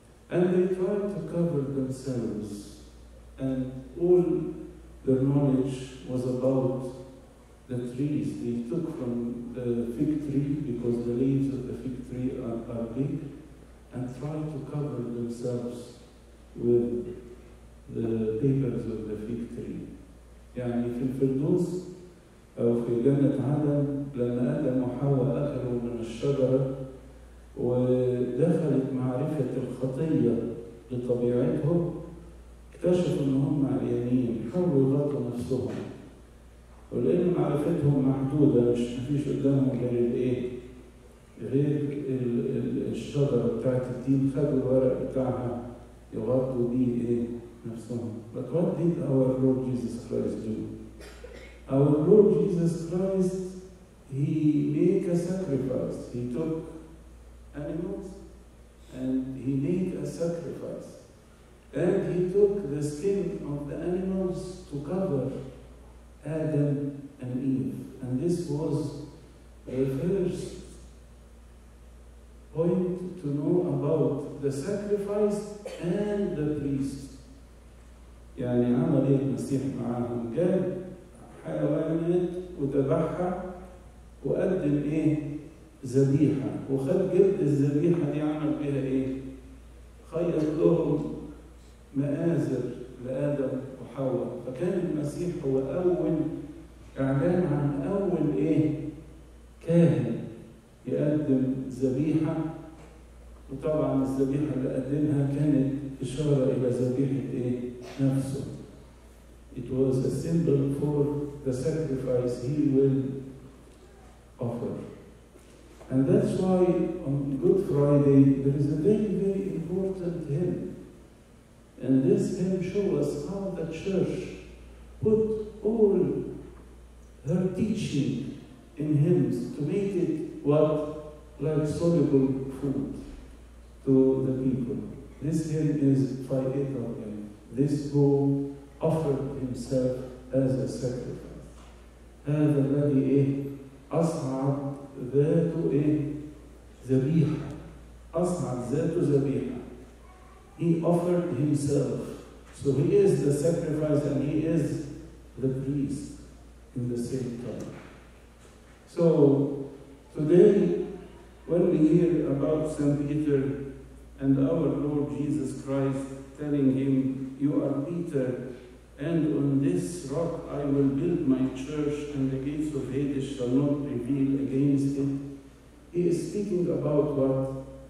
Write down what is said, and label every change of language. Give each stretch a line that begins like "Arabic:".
English: And they tried to cover themselves, and all their knowledge was about the trees. They took from the fig tree, because the leaves of the fig tree are big, and tried to cover themselves with the papers of the fig tree.
Arabic: يعني في الفردوس أو في جنة عدن لما آدم وحواء أكلوا من الشجرة ودخلت معرفة الخطية لطبيعتهم اكتشفوا ان هم عريانين حاولوا يغطوا نفسهم ولان معرفتهم محدوده مش مفيش قدامهم غير الايه؟ غير الشجره بتاعت الدين خدوا الورق بتاعها يغطوا بيه ايه؟ نفسهم.
English: But what did our Lord Jesus Christ do? Our Lord Jesus Christ, he made a sacrifice. He took animals and he made a sacrifice. And he took the skin of the animals to cover Adam and Eve. And this was the first point to know about the sacrifice and the priest.
Arabic: يعني عمل ايه المسيح معاهم؟ جاب حيوانات وذبحها وقدم ايه؟ ذبيحة، وخد جلد الذبيحة دي عمل بيها ايه؟ خيط لهم مآزر لآدم وحواء. فكان المسيح هو أول إعلان عن أول إيه؟ كاهن يقدم ذبيحة. وطبعا الذبيحة اللي قدمها كانت إشارة إلى ذبيحة إيه؟ نفسه.
English: It was a symbol for the sacrifice he will offer. And that's why on Good Friday there is a very, very important hymn. And this hymn shows us how the Church put all her teaching in hymns to make it what? Like soluble food to the people. This hymn is Phi Eta hymn. This who offered himself as a sacrifice.
Arabic: هذا الذي إيه؟ أصعب ذاته إيه؟ ذبيحة. أصعب ذاته ذبيحة.
English: He offered himself. So he is the sacrifice and he is the priest in the same time. So today, when we hear about St. Peter and our Lord Jesus Christ telling him, "You are Peter, and on this rock I will build my church, and the gates of Hades shall not prevail against it," he is speaking about what?